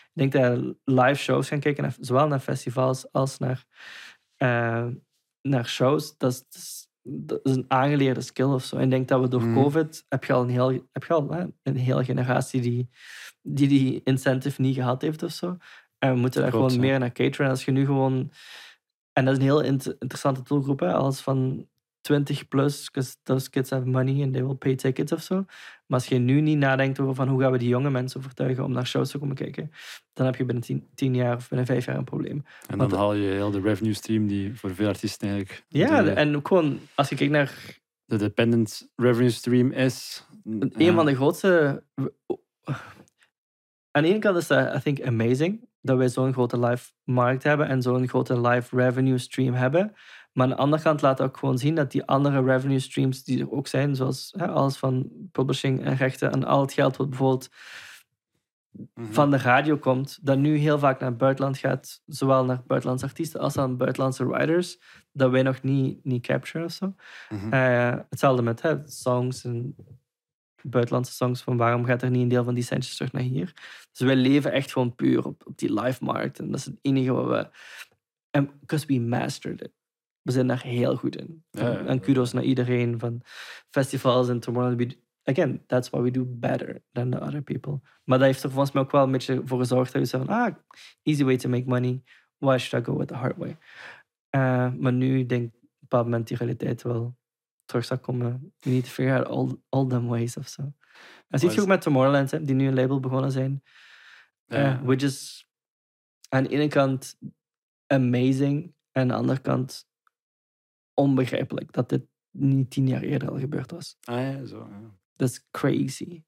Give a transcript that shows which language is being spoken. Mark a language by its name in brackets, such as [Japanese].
[Dutch] Ik denk dat live shows gaan kijken, zowel naar festivals als naar shows. Dat is een aangeleerde skill of zo. En ik denk dat we door COVID heb je al een hele generatie die incentive niet gehad heeft of zo. En we moeten daar gewoon meer naar cateren. Als je nu gewoon... En dat is een heel interessante doelgroep, hè. Alles van 20 plus, [English] because those kids have money and they will pay tickets [Dutch] of zo. Maar als je nu niet nadenkt over van hoe gaan we die jonge mensen overtuigen om naar shows te komen kijken, dan heb je binnen 10 jaar of binnen 5 jaar een probleem. En dan haal je heel de revenue stream die voor veel artiesten eigenlijk... Ja, en ook gewoon als je kijkt naar... De dependent revenue stream is... Een van de grootste... Aan de ene kant is dat, I think, amazing dat wij zo'n grote live markt hebben en zo'n grote live revenue stream hebben. Maar aan de andere kant laat dat ook gewoon zien dat die andere revenue streams die er ook zijn, zoals hè, alles van publishing en rechten en al het geld wat bijvoorbeeld van de radio komt, dat nu heel vaak naar het buitenland gaat, zowel naar buitenlandse artiesten als aan buitenlandse writers, dat wij nog niet capturen of zo. Hetzelfde met hè, songs en... buitenlandse songs van waarom gaat er niet een deel van die centjes terug naar hier. Dus wij leven echt gewoon puur op die live markt. En dat is het enige wat we... [English] Because we mastered it. [Dutch] We zijn daar heel goed in. En kudos naar iedereen van festivals en Tomorrow. [English] Again, that's why we do better than the other people. [Dutch] Maar dat heeft er volgens mij ook wel een beetje voor gezorgd dat je zei van, [English] easy way to make money. Why should I go with the hard way? [Dutch] Maar nu denk ik op een bepaald moment die realiteit wel terug zou komen. [English] You need to figure out all them ways [Dutch] of zo. En ziet je ook met Tomorrowland, hè, die nu een label begonnen zijn. Which is aan de ene kant amazing en aan de andere kant onbegrijpelijk dat dit niet 10 jaar eerder al gebeurd was. Ah ja, zo. Dat is crazy.